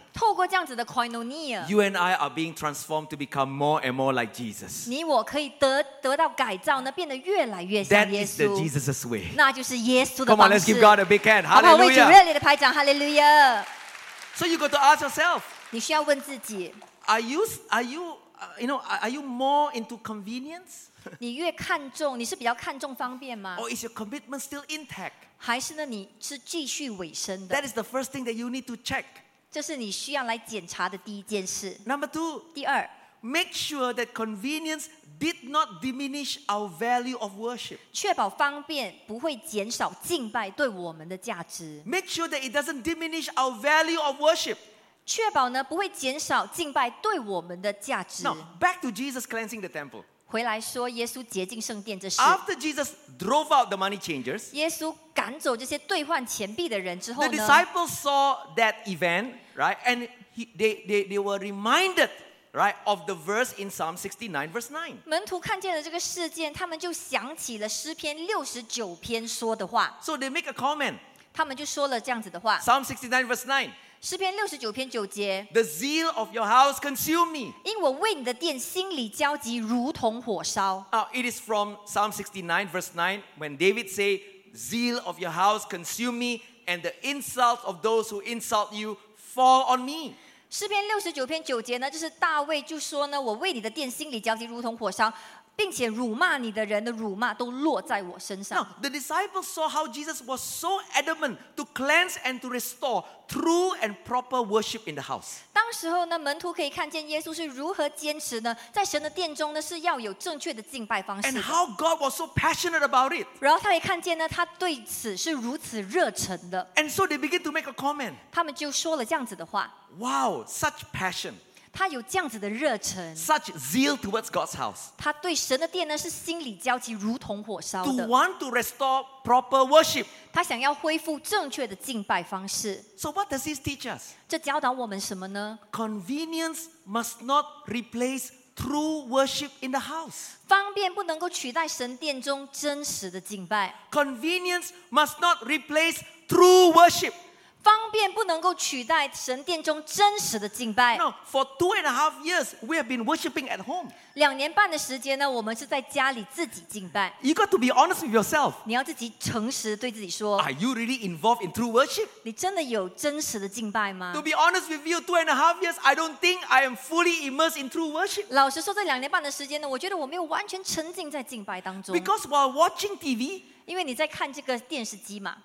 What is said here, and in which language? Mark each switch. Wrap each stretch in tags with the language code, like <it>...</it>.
<zh>透过这样子的 koinonia,</zh> <en>you and I are being transformed to become more and more like Jesus.</en> <zh>你我可以 得到改造呢，变得越来越像耶稣。</zh> <en>That is the Jesus's way.</en> <zh>那就是耶稣的方</zh> <en>式。Come on, let's give God a big hand. Hallelujah.</en> <zh>好不好，为主热烈的拍掌 ，Hallelujah.</zh> <en>So you got to ask yourself.</en> <zh>你需要问自己。</zh> <en>Are you more into convenience?</en> <zh>你越看重，你是比较看重方便吗</zh> <en>？Or is your commitment still intact?</en> <zh>还是呢，你是继续尾声的</zh> <en>？That is the first thing that you need to check.</en> <zh>这是你需要来检查的第一件事。</zh> <en>Number two,</en> <zh>第二</zh> <en>，make sure that convenience did not diminish our value of worship.</en> <zh>确保方便不会减少敬拜对我们的价值。</zh> <en>Make sure that it doesn't diminish our value of worship.</en> <zh>确保呢不会减少敬拜对我们的价值。</zh> <en>Now, back to Jesus cleansing the temple.</en> <zh>回来说耶稣洁净圣殿这事。</zh> <en>After Jesus drove out the money changers,</en> <zh>耶稣赶走这些兑换钱币的人之后呢</zh> <en>？The disciples saw that event, right? And they were reminded, right, of the verse in Psalm 69, verse 9.</en> <zh>门徒看见了这个事件，他们就想起了诗篇六十九篇说的话。</zh> <en>So they make a comment.</en> <zh>他们就说了这样子的话。</zh> <en>Psalm 69, verse 9.</en> <zh>诗篇六十九篇九节</zh> <en>The zeal of your house consume me.</en> <zh>因我为你的殿心里焦急，如同火烧。</zh> <en>It is from Psalm 69 verse 9 when David say, "Zeal of your house consume me, and the insults of those who insult you fall on me."</en> <zh>诗篇六十九篇九节呢，就是大卫就说呢，我为你的殿心里焦急，如同火烧。并且辱骂你的人的辱骂都落在我身上。</zh> <en>Now, the disciples saw how Jesus was so adamant to cleanse and to restore true and proper worship in the house.</en> <zh>当时候呢，门徒可以看见耶稣是如何坚持呢，在神的殿中呢是要有正确的敬拜方式。</zh> <en>And how God was so passionate about it.</en> <zh>然后他也看见呢，他对此是如此热忱的。</zh> <en>And so they begin to make a comment.</en> <zh>他们就说了这样子的话。</zh> <en>Wow, such passion.</en> <zh>他有这样子的热忱</zh> <en>Such zeal towards God's house.</en> <zh>他对神的殿呢是心里焦急，如同火烧的。</zh> <en>To want to restore proper worship.</en> <zh>他想要恢复正确的敬拜方式。</zh> <en>So what does this teach us?</en> <zh>这教导我们什么呢？</zh> <en>Convenience must not replace true worship in the house.</en> <zh>方便不能够取代神殿中真实的敬拜。</zh> <en>Convenience must not replace true worship.</en> <zh>方便不能够取代神殿中真实的敬拜。</zh> <en>No, for 2.5 years, we have been worshiping at home.</en> <zh>两年半的时间呢，我们是在家里自己敬拜。</zh> <en>You got to be honest with yourself.</en> <zh>你要自己诚实对自己说。</zh> <en>Are you really involved in true worship?</en> <zh>你真的有真实的敬拜吗</zh> <en>？To be honest with you, 2.5 years, I don't think I am fully immersed in true worship.</en> <zh>老实说，这两年半的时间呢，我觉得我没有完全沉浸在敬拜当中。</zh> <en>Because while watching TV.</en> <zh>因为你在看这个电视机嘛</zh>